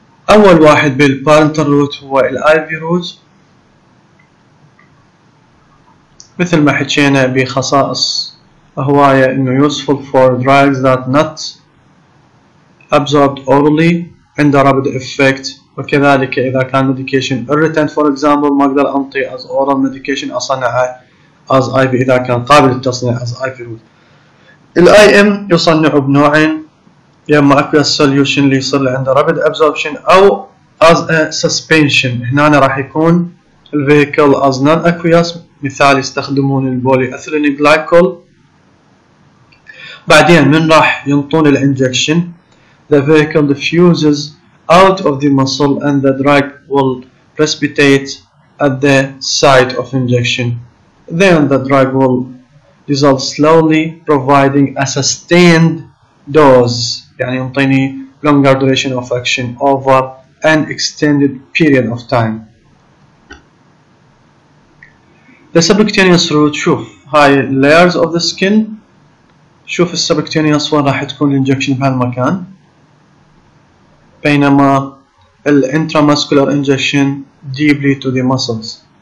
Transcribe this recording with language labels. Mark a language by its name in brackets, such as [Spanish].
[Arabic] أول واحد بالبارنترال روت هو الآيفي روت مثل ما حكينا بخصائص هواية انه [English] useful for drugs that not absorbed orally [Arabic] عند rapid effect وكذلك اذا كان medication irritant for example ما اقدر انطي [English] as oral medication [Arabic] اصنعها as IV اذا كان قابل للتصنيع [English] as IV route. [Arabic] الIM يصنع بنوعين يا اما aqueous solution اللي يصير عند rapid absorption او [English] as a suspension [Arabic] هنا راح يكون الفيكل [English] as non aqueous [Arabic] مثال يستخدمون البوليأثيلين جلايكول بعدين من راح ينطون الانجكشن [English] the vehicle diffuses out of the muscle and the drug will precipitate at the site of injection then the drug will dissolve slowly providing a sustained dose [Arabic] يعني ينطيني [English] longer duration of action over an extended period of time. The subcutaneous route [Arabic] شوف هاي [English] layers of the skin [Arabic] شوف السبكتينيوس وين راح تكون الانجكشن بهالمكان بينما [English] الانتراماسكولار injection deeply to the muscles.